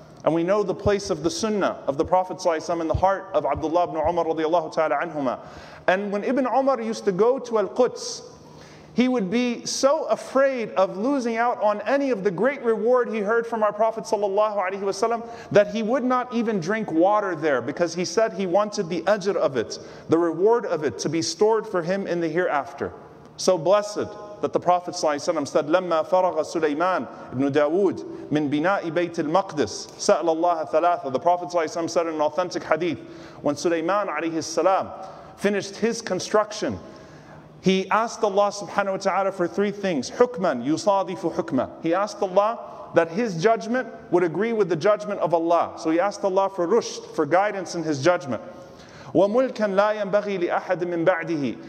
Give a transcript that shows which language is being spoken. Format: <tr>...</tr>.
<en>And we know the place of the sunnah of the Prophet ﷺ in the heart of Abdullah ibn Umar radiallahu ta'ala anhuma. And when Ibn Umar used to go to Al-Quds, he would be so afraid of losing out on any of the great reward he heard from our Prophet sallallahu alaihi wasallam that he would not even drink water there, because he said he wanted the ajr of it, the reward of it, to be stored for him in the hereafter. So blessed that the Prophet sallallahu alaihi wasallam said,</en> <ar>لَمَّا فَرَغَ سُلَيْمَانَ ابْنُ دَاوُودَ مِنْ بِنَاءِ بَيْتِ الْمَقْدِسِ سَأَلَ اللَّهَ ثَلَاثَ.</ar> <en>The Prophet sallallahu alaihi wasallam said in an authentic hadith, when Suleiman alaihi salam finished his construction, he asked Allah subhanahu wa ta'ala for three things.</en> <ar>Hukman, yusadifu hukma.</ar> <en>He asked Allah that his judgment would agree with the judgment of Allah. So he asked Allah for rushd, for guidance in his judgment.</en> <ar>Wa mulkan la yanbaghi li ahadin min ba'dihi.</ar>